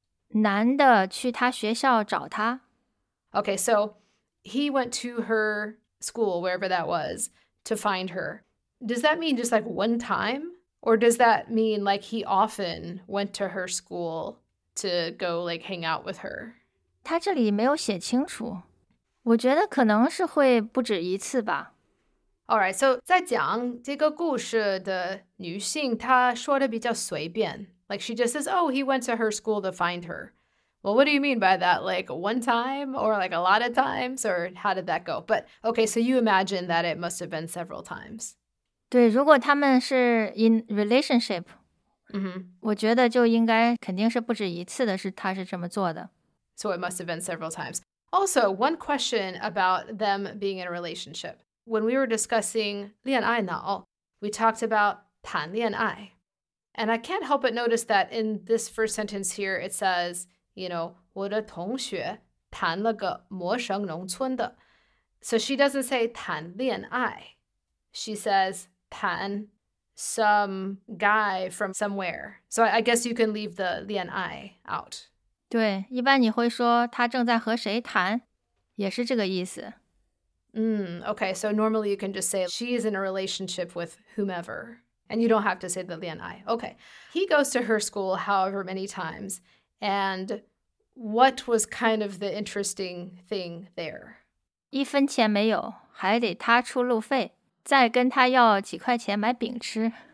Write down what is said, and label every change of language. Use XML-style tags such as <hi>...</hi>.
<zh>男的去他学校找他。</zh> <en>Okay, so he went to her school, wherever that was, to find her. Does that mean just like one time? Or does that mean like he often went to her school to go like hang out with her?</en> <zh>他这里没有写清楚。我觉得可能是会不止一次吧。</zh> <en>All right, so</en> <zh>在讲这个故事的女性她说的比较随便。</zh> <en>Like she just says, oh, he went to her school to find her. Well, what do you mean by that? Like one time or like a lot of times or how did that go? But okay, so you imagine that it must have been several times.</en> <zh>对，如果他们是</zh> <en>in relationship,、 mm-hmm.</en> <zh>我觉得就应该肯定是不止一次的是他是这么做的。</zh> <en>So it must have been several times. Also, one question about them being in a relationship. When we were discussing 恋爱脑, we talked about 谈恋爱. And I can't help but notice that in this first sentence here, it says, you know,</en> <zh>我的同学谈了个陌生农村的。</zh> <en>So she doesn't say 谈恋爱。She says, 谈 some guy from somewhere. So I guess you can leave the 恋爱 out.</en> <zh>对，一般你会说他正在和谁谈，也是这个意思。</zh> <en>Okay, so normally you can just say she is in a relationship with whomever. And you don't have to say the 恋爱. Okay, he goes to her school however many times. And what was kind of the interesting thing there?</en> <zh>一分钱没有，还得他出路费。再跟他要几块钱买饼吃。</zh>